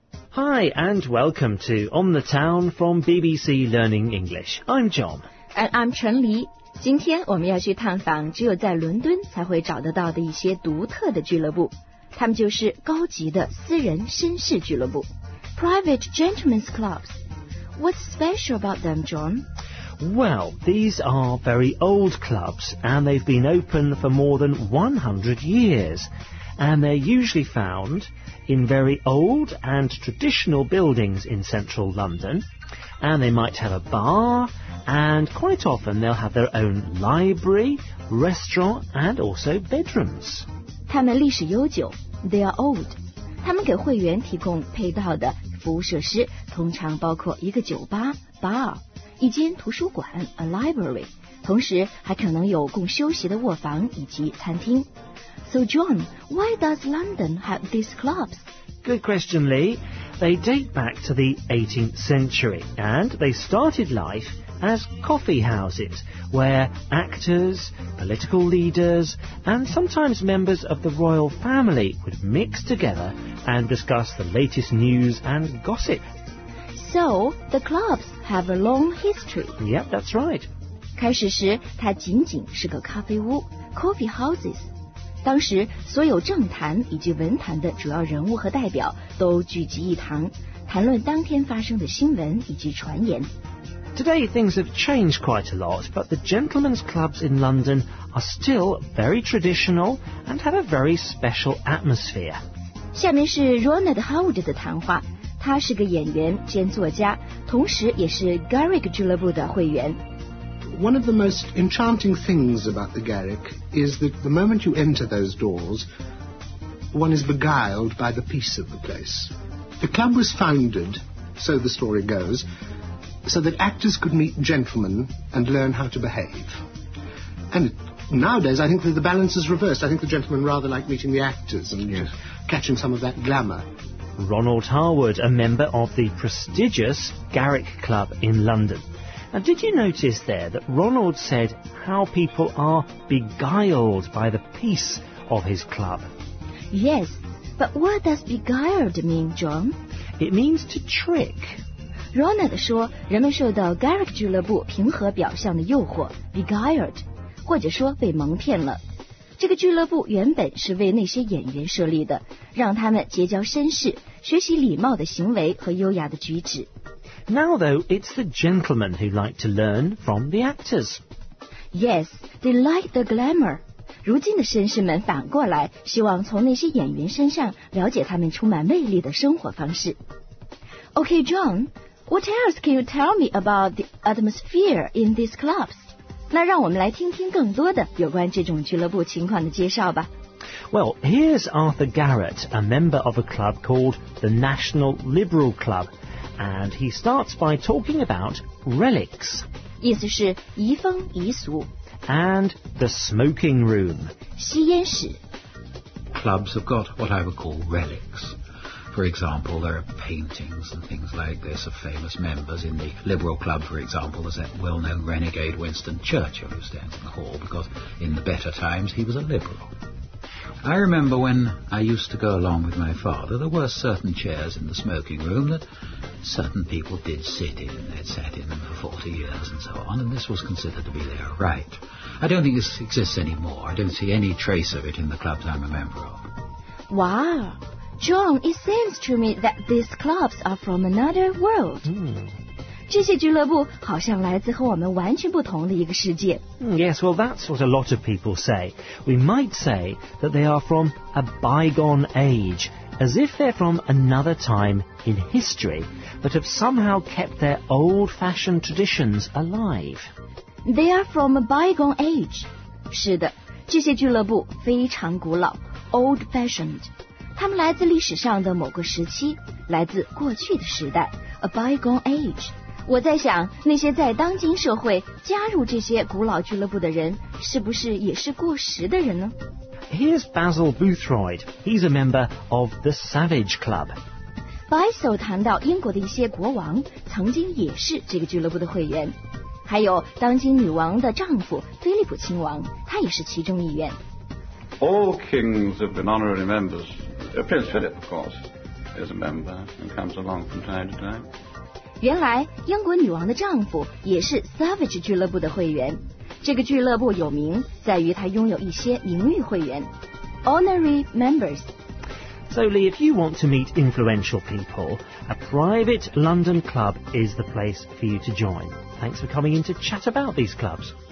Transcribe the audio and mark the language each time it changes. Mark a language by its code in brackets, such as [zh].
[en] Hi, and welcome to On the Town from BBC Learning English. I'm John. And I'm Chen Li. [zh] 今天我们要去探访只有在伦敦才会找得到的一些独特的俱乐部。他们就是高级的私人绅士俱乐部。 [en] Private gentlemen's clubs. What's special about them, John? Well, these are very old clubs, and they've been open for more than 100 years. And they're usually found in very old and traditional buildings in central London. And they might have a bar, and quite often they'll have their own library, restaurant, and also bedrooms. [zh] 他们历史悠久, [en] they are old. [zh] 他们给会员提供配套的服务设施通常包括一个酒吧 bar. 一间图书馆 [en] a library, [zh] 同时还可能有供休息的卧房以及餐厅。 [en] So John, why does London have these clubs? Good question, Lee. They date back to the 18th century, and they started life as coffee houses, where actors, political leaders, and sometimes members of the royal family would mix together and discuss the latest news and gossip. So, the clubs have a long history. Yep, that's right. [zh] 开始时它仅仅是个咖啡屋 [en] coffee houses. [zh] 当时所有政坛以及文坛的主要人物和代表都聚集一堂谈论当天发生的新闻以及传言。 [en] Today, things have changed quite a lot, but the gentlemen's clubs in London are still very traditional and have a very special atmosphere. [zh] 下面是 Ronald Howard 的谈话。他是个演员兼作家，同时也是 Garrick 俱乐部的会员。 [en] One of the most enchanting things about the Garrick is that the moment you enter those doors, one is beguiled by the peace of the place. The club was founded, so the story goes, so that actors could meet gentlemen and learn how to behave. And nowadays, I think that the balance is reversed. I think the gentlemen rather like meeting the actors and catching some of that glamour. Ronald Harwood, a member of the prestigious Garrick Club in London. Now, did you notice there that Ronald said how people are beguiled by the peace of his club? Yes, but what does beguiled mean, John? It means to trick. [zh] Ronald 说人们受到 Garrick 俱乐部平和表象的诱惑 beguiled, 或者说被蒙骗了。这个俱乐部原本是为那些演员设立的，让他们结交绅士，学习礼貌的行为和优雅的举止。 [en] Now though, it's the gentlemen who like to learn from the actors. Yes, they like the glamour. [zh] 如今的绅士们反过来，希望从那些演员身上了解他们充满魅力的生活方式。 [en] Okay, John, what else can you tell me about the atmosphere in these clubs? [zh] 那让我们来听听更多的有关这种俱乐部情况的介绍吧。 [en] Well, here's Arthur Garrett, a member of a club called the National Liberal Club, and he starts by talking about relics. [zh] 意思是遗风遗俗。 [en] And the smoking room. [zh] 吸烟室。 [en] Clubs have got what I would call relics. For example, there are paintings and things like this of famous members in the Liberal Club, for example, there's that well-known renegade Winston Churchill who stands in the hall because in the better times he was a Liberal. I remember when I used to go along with my father, there were certain chairs in the smoking room that certain people did sit in and they'd sat in them for 40 years and so on, and this was considered to be their right. I don't think this exists anymore. I don't see any trace of it in the clubs I'm a member of. Wow! John, it seems to me that these clubs are from another world. [zh] 这些俱乐部好像来自和我们完全不同的一个世界。 [en] Yes, well, that's what a lot of people say. We might say that they are from a bygone age, as if they're from another time in history, but have somehow kept their old-fashioned traditions alive. They are from a bygone age. [zh] 是的，这些俱乐部非常古老 old-fashioned. 他们来自历史上的某个时期，来自过去的时代 ， [en] a bygone age。 [zh] 我在想，那些在当今社会加入这些古老俱乐部的人，是不是也是过时的人呢 [en] ？Here's Basil Boothroyd. He's a member of the Savage Club. [zh] Basil 谈到英国的一些国王曾经也是这个俱乐部的会员，还有当今女王的丈夫菲利普亲王，他也是其中一员。 [en] All kings have been honorary members. Prince Philip, of course. as a member and comes along from time to time. [zh] 原来英国女王的丈夫也是 Savage 俱乐部的会员。这个俱乐部有名在于它拥有一些名誉会员 ， [en] honorary members。 So Lee, if you want to meet influential people, a private London club is the place for you to join. Thanks for coming in to chat about these clubs.